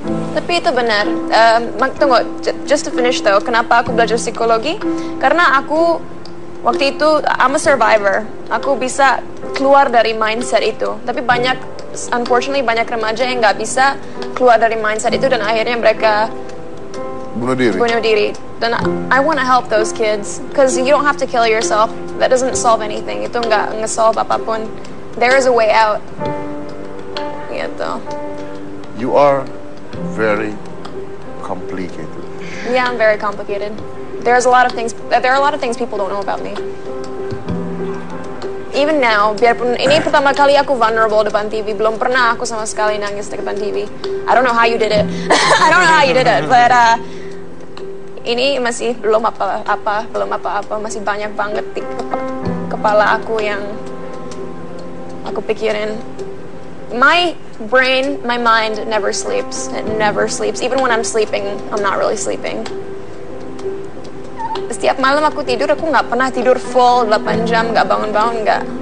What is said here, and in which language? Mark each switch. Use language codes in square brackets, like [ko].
[id] Tapi itu benar. Tunggu, [en] just to finish though, [id] kenapa aku belajar psikologi? Karena aku waktu itu [en] I'm a survivor. [id] Aku bisa keluar dari mindset itu. Tapi banyak unfortunately banyak remaja yang gak bisa keluar dari mindset itu dan akhirnya mereka bunuh diri. [en] Dan I want to help those kids because you don't have to kill yourself. That doesn't solve anything. [id] Itu gak nge-solve apapun. [en] There is a way out. Gitu. You are very complicated. Yeah, I'm very complicated. There's a lot of things. There are a lot of things people don't know about me. Even now, [id] biarpun ini pertama kali aku vulnerable depan TV, [en] belum pernah aku sama sekali nangis depan TV. I don't know how you did it. I don't know how you did it, but [id] ini masih belum apa-apa, belum apa-apa, masih banyak banget di kepala aku yang aku pikirin. [en] My brain, my mind never sleeps. It never sleeps. Even when I'm sleeping, I'm not really sleeping. [id] Setiap malam aku tidur, aku nggak pernah tidur full 8 jam, nggak bangun-bangun, nggak.